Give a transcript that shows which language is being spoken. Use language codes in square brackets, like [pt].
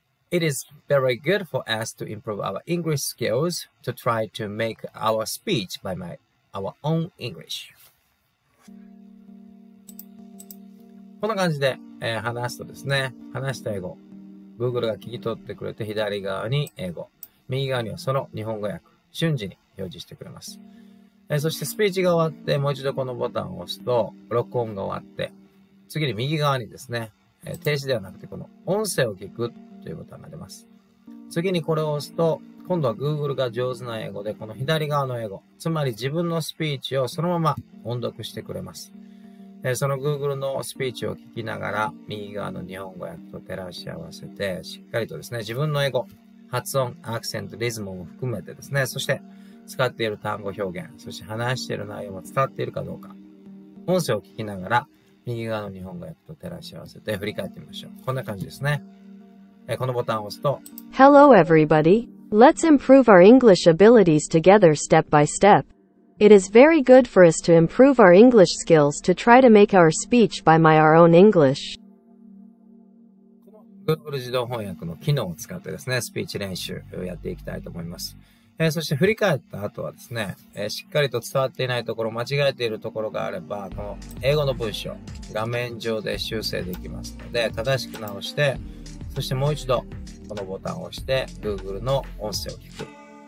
[en] It is very good for us to improve our English skills to try to make our speech by our own English. [ja] こんな感じで、話すとですね、話した英語、Google が聞き取ってくれて、左側に英語、右側にはその日本語訳、瞬時に表示してくれます。そしてスピーチが終わって、もう一度このボタンを押すと、録音が終わって、次に右側にですね、停止ではなくて、この音声を聞くというボタンが出ます。次にこれを押すと、今度は Google が上手な英語で、この左側の英語、つまり自分のスピーチをそのまま音読してくれます。その Google のスピーチを聞きながら、右側の日本語訳と照らし合わせて、しっかりとですね、自分の英語、発音、アクセント、リズムも含めてですね、そして使っている単語表現、そして話している内容も伝わっているかどうか、音声を聞きながら、右側の日本語訳と照らし合わせて振り返ってみましょう。こんな感じですね。このボタンを押すと、 [en] Hello everybody! Let's improve our English abilities together step by step. It is very good for us to improve our English skills to try to make our speech by my our own English. [ja] Google 自動翻訳の機能を使ってですね、スピーチ練習をやっていきたいと思います。そして振り返った後はですね、しっかりと伝わっていないところ、間違えているところがあれば、この英語の文章、画面上で修正できますので、正しく直して、そしてもう一度このボタンを押して、Google の音声を聞く。